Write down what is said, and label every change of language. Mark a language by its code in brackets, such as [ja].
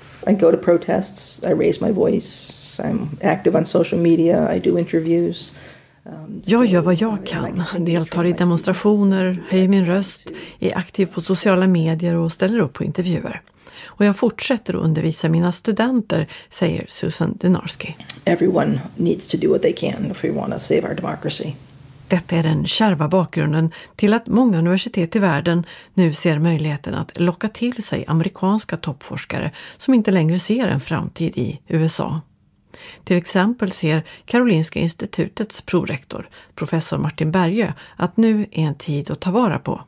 [en] I go to protests, I raise my voice, I'm active on social media, I do interviews. [sv] Jag gör vad jag kan, deltar i demonstrationer, höjer min röst, är aktiv på sociala medier och ställer upp på intervjuer. Och jag fortsätter att undervisa mina studenter, säger Susan Dynarski. [en] Everyone needs to do what they can if we want to save our democracy. [sv] Detta är den kärva bakgrunden till att många universitet i världen nu ser möjligheten att locka till sig amerikanska toppforskare som inte längre ser en framtid i USA. Till exempel ser Karolinska institutets prorektor, professor Martin Berge, att nu är en tid att ta vara på.